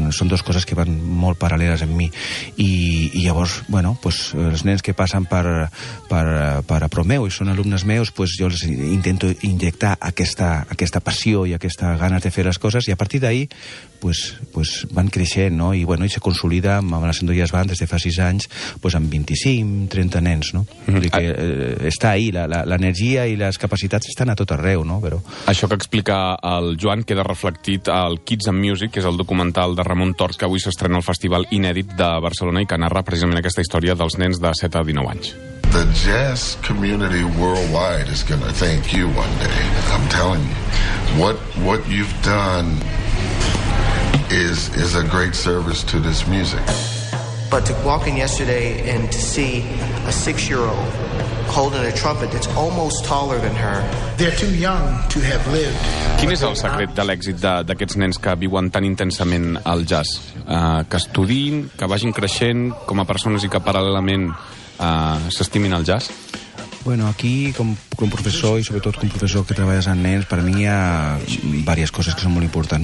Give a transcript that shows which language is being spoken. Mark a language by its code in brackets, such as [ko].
[ca] Són dues coses que van molt paral·leles en mi. I llavors, bueno, pues, els nens que passen per a Promeu i són alumnes meus, pues, jo els intento injectar aquesta passió i aquesta ganes de fer les coses, i a partir d'ahir pues van creixent, no? I, bueno, i se consolida amb la Sant Andreu Jazz Band des de fa 6 anys, pues, amb 25-30 nens, no? Que, està ahí, l'energia i les capacitats estan a tot arreu, no? Però... Això que explica el Joan queda reflectit al Kids and Music, que és el documental de Ramon Tort, que avui s'estrena al Festival Inèdit de Barcelona i que narra precisament aquesta història dels nens de 7 a 19 anys. [en] The jazz community worldwide is gonna thank you one day, I'm telling you. What you've done is a great service to this music. But to walk in yesterday and to see a 6-year-old holding a trumpet that's almost taller than her. They're too young to have lived. [ca] Quin és el secret de l'èxit d'aquests nens que viuen tan intensament el jazz? Que estudiïn, que vagin creixent com a persones i que paral·lelament s'estimin el jazz? Bueno, aquí com professor i sobretot com professor que treballes amb nens, per mi hi ha diverses coses que són molt importants.